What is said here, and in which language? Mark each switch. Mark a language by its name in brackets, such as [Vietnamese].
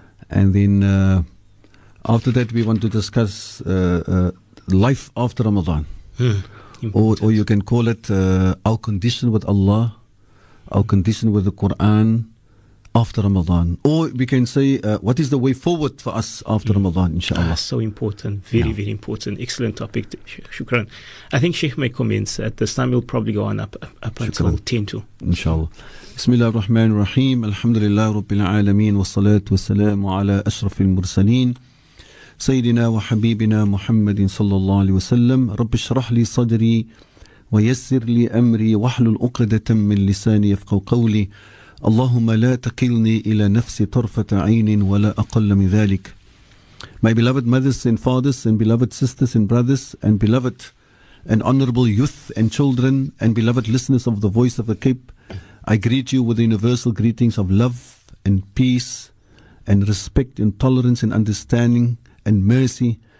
[English] And then after that, we want to discuss life after Ramadan, or you can call it our condition with Allah, our condition with the Quran after Ramadan, or we can say what is the way forward for us after Ramadan, inshallah. So important, very important, excellent topic, shukran. I think Sheikh may commence at this time, we'll probably go on up until 10 to. Inshallah. [Arabic] بسم الله الرحمن الرحيم الحمد لله رب العالمين والصلاة والسلام على أشرف المرسلين سيدنا وحبيبنا محمد صلى الله عليه وسلم رب اشرح لي صدري ويسر لي أمري واحلل عقدة من لساني يفقهوا قولي اللهم لا تقلني إلى نفسي طرفة عين ولا أقل من ذلك. [English] My beloved mothers and fathers and beloved sisters and brothers and beloved and honorable youth and children and beloved listeners of the Voice of the Cape, I greet you with the universal greetings of love and peace and respect and tolerance and understanding and mercy.